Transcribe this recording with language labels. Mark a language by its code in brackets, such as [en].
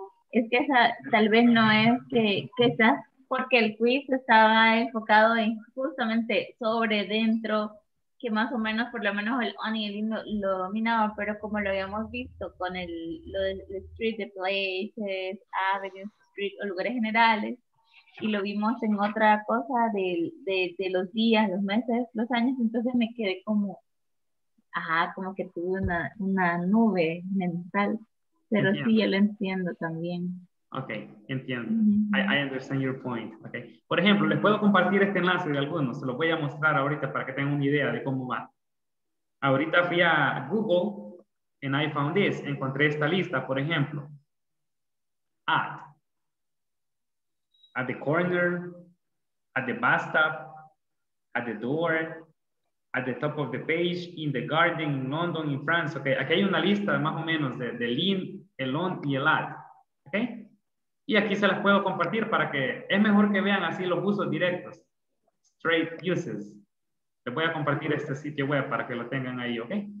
[es] Es que tal vez no es que sea porque el quiz estaba enfocado en justamente sobre, dentro, que más o menos, por lo menos el on y el in lo dominaba, pero como lo habíamos visto con lo del street, the places, avenues, street, o lugares generales, y lo vimos en otra cosa de los días, los meses, los años, entonces me quedé como, ajá, como que tuve una nube mental, pero entiendo. Sí, yo lo entiendo también. [en] Ok, entiendo. Mm-hmm. I understand your point. Okay. [es] Por ejemplo, les puedo compartir este enlace de algunos. Se los voy a mostrar ahorita para que tengan una idea de cómo va. Ahorita fui a Google [en] and I found this. [es] Encontré esta lista, por ejemplo. [en] At the corner, at the bus stop, at the door, at the top of the page, in the garden, in London, in France. [es] Okay, aquí hay una lista más o menos de lean, el on y el at. Okay. Y aquí se las puedo compartir para que, es mejor que vean así los usos directos. [en] Straight uses. [es] Les voy a compartir este sitio web para que lo tengan ahí, ¿ok?